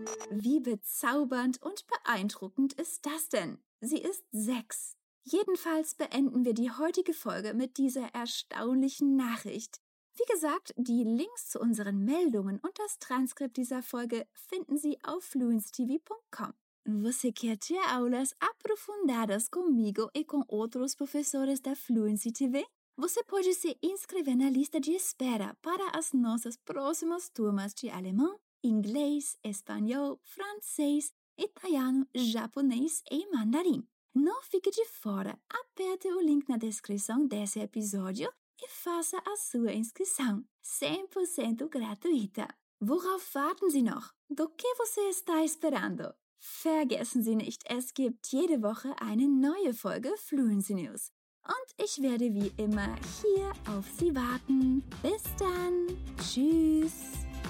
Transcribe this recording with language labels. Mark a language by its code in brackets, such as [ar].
[de] Wie bezaubernd und beeindruckend ist das denn? Sie ist 6. Jedenfalls beenden wir die heutige Folge mit dieser erstaunlichen Nachricht. Wie gesagt, die Links zu unseren Meldungen und das Transkript dieser Folge finden Sie auf fluencetv.com. [pt] Você quer ter aulas aprofundadas comigo e com outros professores da Fluency TV? Você pode se inscrever na lista de espera para as nossas próximas turmas de alemão, inglês, espanhol, francês, italiano, japonês e mandarim. Não fique de fora, aperte o link na descrição desse episódio e faça a sua inscrição, 100% gratuita. [de] Worauf warten Sie noch? [pt] Do que você está esperando? [de] Vergessen Sie nicht, es gibt jede Woche eine neue Folge Fluency News. Und ich werde wie immer hier auf Sie warten. Bis dann. Tschüss.